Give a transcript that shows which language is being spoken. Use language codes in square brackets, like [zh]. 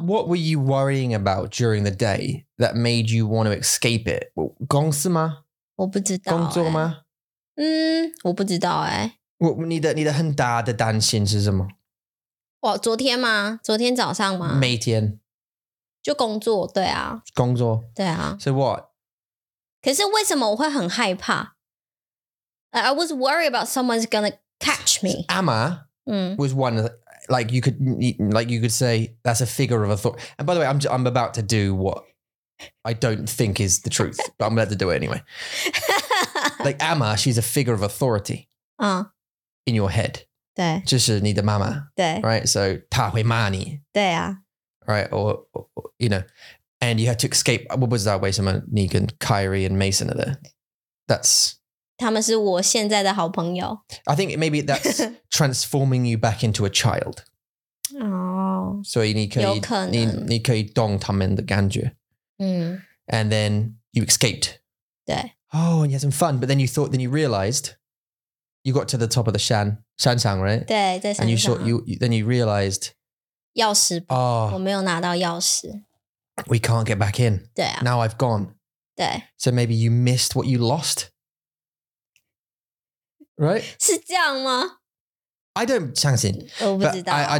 [en] What were you worrying about during the day that made you want to escape it? [zh] 公司吗我不知道、工作吗我不知道哎、你的很大的担心是什么哇昨天吗昨天早上吗每天就工作对啊工作对啊 [en] So what? [zh] 可是为什么我会很害怕 [en] I was worried about someone's gonna catch me Amma was one of the, like you could say that's a figure of authority and by the way I'm about to do what I don't think is the truth but I'm about to do it anyway Like Amma, she's a figure of authority in your head. [zh] 对。就是你的妈妈。对。 [en] Right? So, [zh] 她会骂你。对啊。 [en] Right? Or, you know, and you had to escape. What was that? [zh] 为什么你跟 [en] Kyrie and Mason are there? That's... [zh] 他们是我现在的好朋友。 [en] I think maybe that's transforming you back into a child. [zh] 哦。所以你可以... 有可能。你可以动他们的感觉。 [en] And then you escaped. [zh] 对。 [en] Oh, and you had some fun. But then you thought, then you realized you got to the top of the Shan Shang, right? [zh] 对，在山上。 [en] And you thought, you realized... [zh] 钥匙不，我没有拿到钥匙。 [en] We can't get back in. [zh] 对啊。 [en] Now I've gone. [zh] 对。 [en] So maybe you missed what you lost. Right? [zh] 是这样吗? [en] I don't [zh] 相信。我不知道。